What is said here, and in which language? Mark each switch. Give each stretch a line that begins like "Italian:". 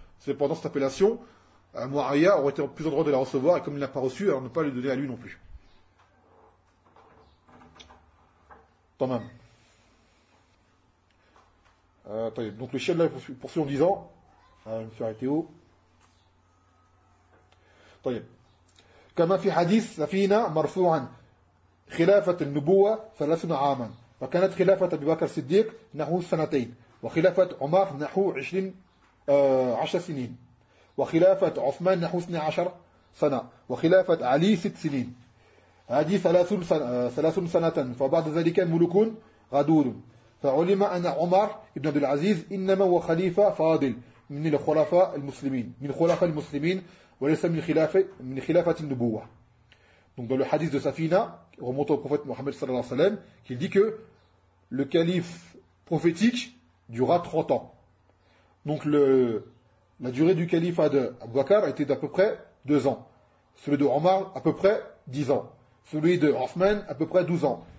French: Cependant, cette appellation, Mu'awiyah aurait été en plus en droit de la recevoir, et comme il ne l'a pas reçue, alors ne pas lui donner à lui non plus.
Arabic: Tamam.
French: Donc le chien là, poursuit en disant, je me suis arrêté où.
Arabic: Tayyib.
French: Comme dans le hadith,
Arabic: « Safina marfou'an, khilafat al-nubuwa thalathun aaman, wa kanat khilafat Abu Bakr Siddiq nahu sanatayn, wa khilafat Omar nahu 20 10 سنين وخلافة عثمان نحو 12 سنة وخلافة علي 6 سنين هذه 30 سنة فبعد ذلك ملوك غدور فعلم أن عمر بن عبد العزيز إنما هو خليفة فاضل من الخلفاء المسلمين وليس من خلافة النبوة.
French: Donc dans le hadith de Safina remonte au prophète Mohammed
Arabic: صلى الله عليه وسلم
French: qui dit que le calife prophétique durera 30 ans. Donc la durée du califat d'Abu Bakr était d'à peu près 2 ans. Celui de Omar, à peu près 10 ans. Celui de Othman, à peu près 12 ans.